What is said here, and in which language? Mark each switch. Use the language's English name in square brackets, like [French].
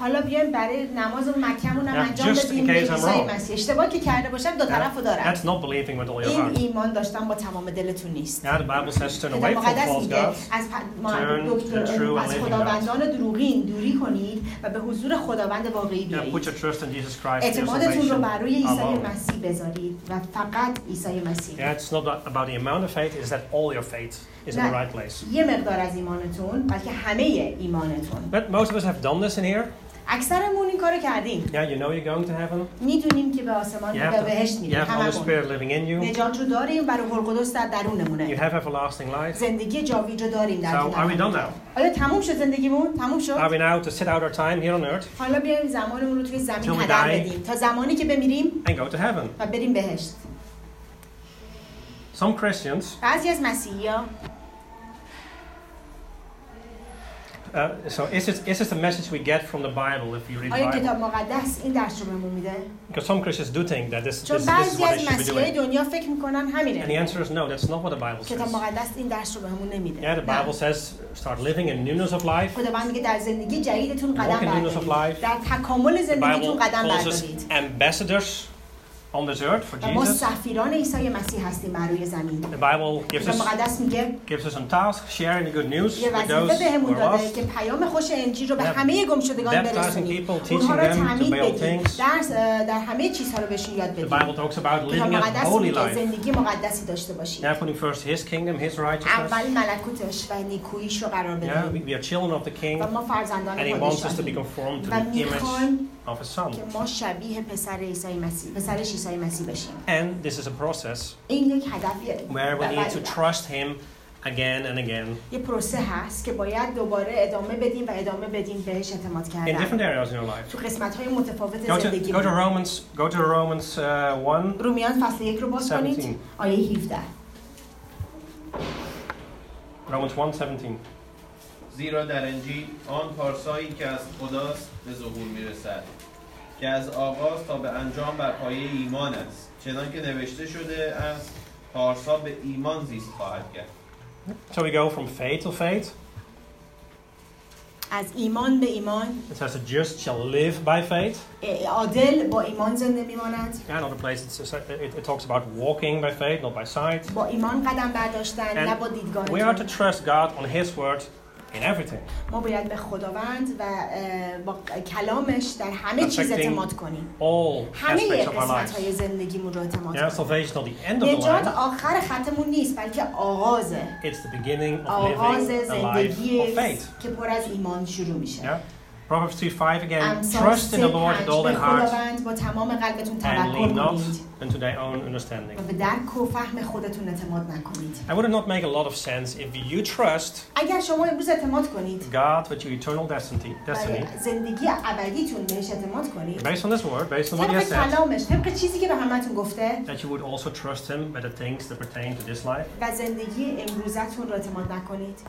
[Persian] حالا بیایم برای نماز اون مکه‌مون هم انجام بدیم. عیسی مسیح اشتباهی که کرده باشم دو طرفو دارم. [English] That's not believing with all your heart. [Persian] ایمان داشتن با تمام دلتون نیست. [English] Now the Bible says turn away from false gods. [Persian] از خداوندان دروغین دوری کنید و به حضور خداوند واقعی بیایید. [English] Put your trust in Jesus Christ. [Persian] اعتمادتون رو بر روی عیسی مسیح بذارید و فقط عیسی مسیح. [English] It's not about the amount of faith, it's that all your faith is in the right place. [Persian] یه مقدار از ایمانتون بلکه همه ایمانتون. [English] But most of us have done this in here. [Persian] اکثرمون این کارو کردیم. [English] Yeah, you know you're going to heaven. [Persian] میدونیم که به آسمان و بهشت میریم. [English] You have the Holy Spirit living in you. [Persian] نجات رو داریم و روح القدس در درونمونه. [English] You have everlasting life. [Persian] زندگی جاویدانی داریم در درونمون. [English] So are we done now? [Persian] حالا تموم شد زندگیمون؟ تموم شد؟ [English] Are we now to sit out our time here on earth? [Persian] حالا بیایم زمانمون رو توی زمین هدر بدیم تا زمانی که بمیریم. [English] And go to heaven. [Persian] و بریم بهشت. [English] Some Christians. [Persian] بعضی از مسیحی‌ها. [English] So is this the message we get from the Bible if you read the Bible? [Persian] کتاب مقدس این درس رو بهمون میده. [English] Because some Christians do think that this is what they should be doing. [Persian] دنیا فکر میکنن همینه. [English] And the answer is no, that's not what the Bible says. [Persian] کتاب مقدس این درس رو بهمون نمیده. [English] Yeah, the Bible says start living in newness of life. [Persian] خداوند میگه در زندگی جدیدتون قدم بردارید. [English] Walk in newness of life. [Persian] در تکامل زندگیتون قدم بردارید. [English] The Bible calls us ambassadors on this earth for Jesus. [Persian] ما سفیران عیسی مسیح هستیم بر روی زمین. [English] The Bible gives us some task, sharing the good news with those who are lost. [Persian] که پیام خوش انجیل رو به همه گمشدگان برسونیم. [English] Baptizing people, teaching them to build things. [Persian] در همه چیزها رو بهشون یاد بدیم. [English] The Bible talks about living a holy life. [Persian] زندگی مقدسی داشته باشیم. [English] Now putting first His kingdom, His righteousness. [Persian] اول ملکوتش و نیکوییش رو قرار بدیم. [English] Yeah, we are children of the King. [Persian] ما فرزندان خداییم. [English] And He wants us to be conformed to the image of His Son. [Persian] که ما شبیه پسر عیسی مسیح، پسرش [English] And this is a process where we need to trust Him again and again. [Persian] یه پروسه هست که باید دوباره ادامه بدیم و ادامه بدیم بهش اعتماد کردن. [English] In different areas in your life. [Persian] تو قسمت‌های متفاوت زندگی. [English] Go to Romans 1. [Persian] رومیان فصل 1 رو باز کنید. آیه 17. [English] Romans 1:17. [Persian] زیرا در انجیل آن پارسایی که از خداست به ظهور می‌رسد. که از آغاز تا به انجام بر پایه ایمان است چنان که نوشته شده است پارسا به ایمان زیست خواهد کرد. [English] So we go from faith to faith. [Persian] از ایمان به ایمان. [English] It says the just shall live by faith. [Persian] عادل با ایمان زنده میماند. [English] Yeah, another place it talks about walking by faith, not by sight. [Persian] با ایمان قدم برداشتن نه با دیدگاه. [English] We are to trust God on His word. In everything. [Persian] ما باید به خداوند و با کلامش در همه چیز اعتماد کنیم. همه قسمت‌های زندگیمون رو اعتماد کنیم. [English] Salvation is not the end of the line. [Persian] نجات آخر خطمون نیست، بلکه آغازه. [English] It's the beginning of living a life of faith. [Persian] که پر از ایمان شروع میشه. [English] Proverbs 3:5 again. Trust in the Lord with all your heart. [Persian] خداوند با تمام قلبتون توکل کنید. [English] And lean not unto thy own understanding. [Persian] و به درک و فهم خودتون اعتماد نکنید. [English] I would not make a lot of sense if you trust. [Persian] اگر شما امروز اعتماد کنید. [English] God with your eternal destiny. [Persian] برای زندگی ابدیتون بهش اعتماد کنید. [English] Based on this word, based on what he said. [Persian] طبق چیزی که به همتون گفته. [English] That you would also trust him with the things that pertain to this life. [Persian] و زندگی امروزتون رو اعتماد نکنید.